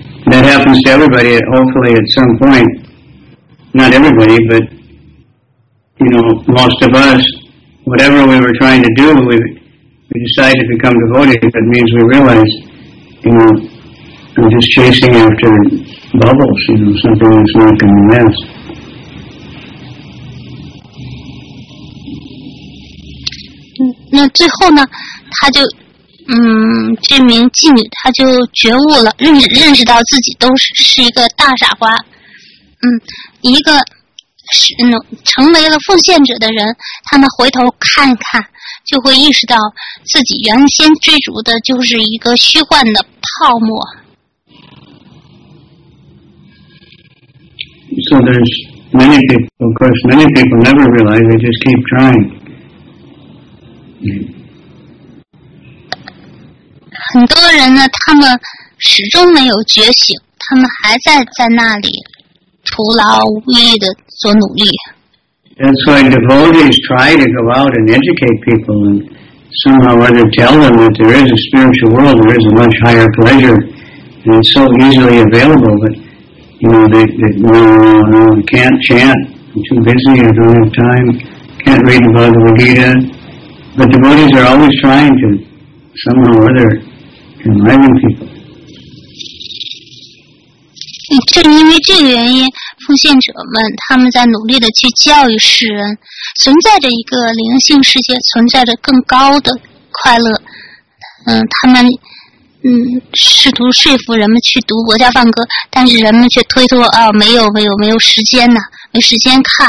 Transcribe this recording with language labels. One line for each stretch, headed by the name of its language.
English: That happens to everybody, hopefully at some point. Not everybody, but, you know, most of us, whatever we were trying to do, we decided to become devoted. That means we realize, you know, I'm just chasing after bubbles, you know, something that's not going to last.
Chinese: 那最后呢，他就这名妓女他就觉悟了，认识到自己都是一个大傻瓜。一个成为了奉献者的人，他们回头看看就会意识到自己原先追逐的就是一个虚幻的泡沫。
English: So there's many people, of course many people never realize, they just keep trying.
Chinese: 很多人呢，他们始终没有觉醒，他们还在那里徒劳无益的做努力。
English: That's why devotees try to go out and educate people and somehow or other tell them that there is a spiritual world, there is a much higher pleasure, and it's so easily available, but you know, they no, can't chant, too busy or don't have time, can't read the Bhagavad Gita. But devotees are always trying to somehow or other enlighten people.
Chinese: 正因为这个原因，奉献者们他们在努力地去教育世人，存在着一个灵性世界，存在着更高的快乐。他们试图说服人们去读《国家梵歌》，但是人们却推脱啊，没有时间呢，没时间看。